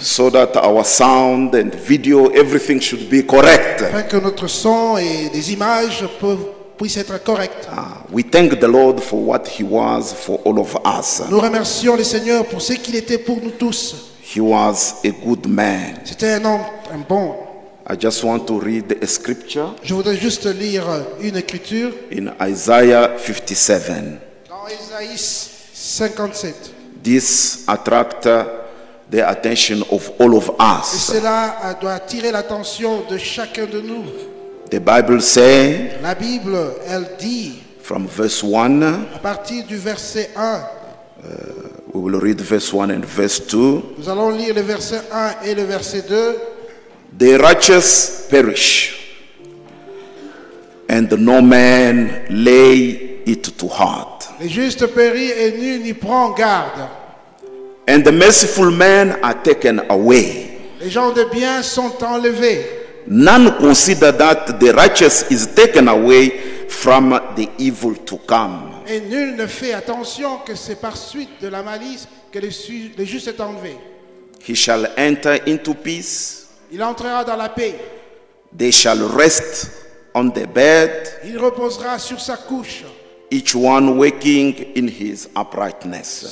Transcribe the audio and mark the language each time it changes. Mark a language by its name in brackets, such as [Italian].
[English] so that our sound and video, everything should be correct. [French] Afin que notre son et des images puissent être corrects. [English] We thank the Lord for what he was for all of us. [French] Nous remercions le Seigneur pour ce qu'il était pour nous tous. [English] He was a good man. [French] C'était un homme un bon. [English] I just want to read a scripture. [French] Je voudrais juste lire une écriture. [English] In Isaiah 57. [French] Dans Isaïe 57. [English] This attracts the attention of all of us. [French] Et cela doit attirer l'attention de chacun de nous. [English] The Bible says. [French] La Bible, elle dit. [English] From verse 1. [French] À partir du verset 1. [English] We will read verse 1 and verse 2. [French] Nous allons lire le verset 1 et le verset 2. [English] The righteous perish, and no man lay it to heart. [French] Les justes périssent et nul n'y prend garde. [English] And the merciful men are taken away. [French] Les gens de bien sont enlevés. [English] None consider that the righteous is taken away from the evil to come. [French] Et nul ne fait attention que c'est par suite de la malice que le juste est enlevé. [English] He shall enter into peace. [French] Il entrera dans la paix. [English] They shall rest on their bed. [French] Il reposera sur sa couche. [English] Each one waking in his uprightness.